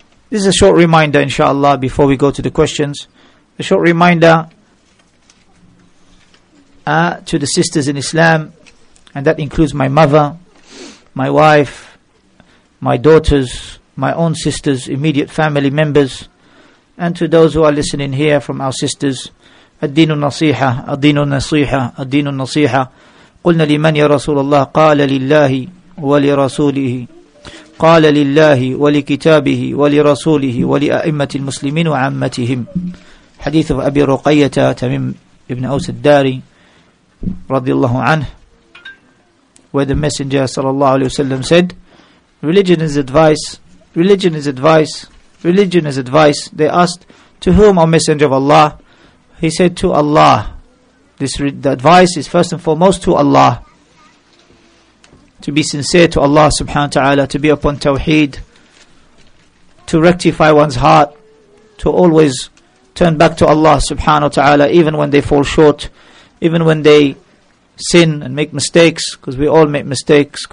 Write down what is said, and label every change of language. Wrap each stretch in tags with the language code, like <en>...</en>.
<en>This is a short reminder, inshallah, before we go to the questions. A short reminder to the sisters in Islam, and that includes my mother, my wife, my daughters, my own sisters, immediate family members, and to those who are listening here from our sisters.</en> <ar>الدين النصيحة الدين النصيحة الدين النصيحة قلنا لمن يا رسول الله قال لله ولرسوله قال لله ولكتابه ولرسوله ولأئمة المسلمين وعامتهم. حديث أبي رقية تميم ابن أوس الداري رضي الله عنه,</ar> <en>where the messenger</en> <ar>صلى الله عليه وسلم</ar> <en>said, religion is advice, religion is advice, religion is advice. They asked, to whom, O messenger of Allah? He said, to Allah. The advice is first and foremost to Allah, to be sincere to Allah subhanahu wa ta'ala, to be upon tawheed, to rectify one's heart, to always turn back to Allah subhanahu wa ta'ala, even when they fall short, even when they sin and make mistakes, because we all make mistakes.</en>